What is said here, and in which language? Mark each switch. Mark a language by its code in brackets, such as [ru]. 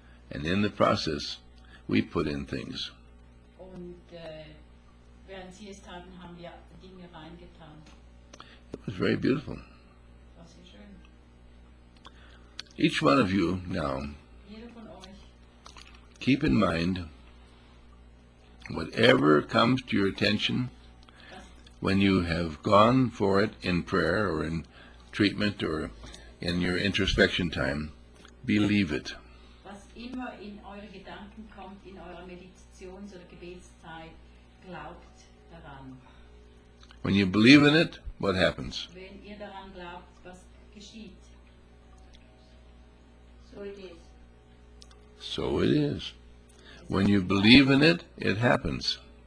[en] And in the process, we put in things. [de] Und, während sie es taten, haben wir Dinge reingetan. [en] It was very beautiful. [de] Das ist schön. [en] Each one of you now, [de] jeder von euch, [en] keep in mind, whatever comes to your attention, when you have gone for it in prayer or in treatment or in your introspection time, believe it. [de] Was immer in eure Gedanken kommt, in eurer Meditations- oder Gebetszeit, glaubt daran. [en] When you believe in it, what happens? [de] Wenn ihr daran glaubt, was geschieht? [en] So it is. So it is. When you believe in it, it happens.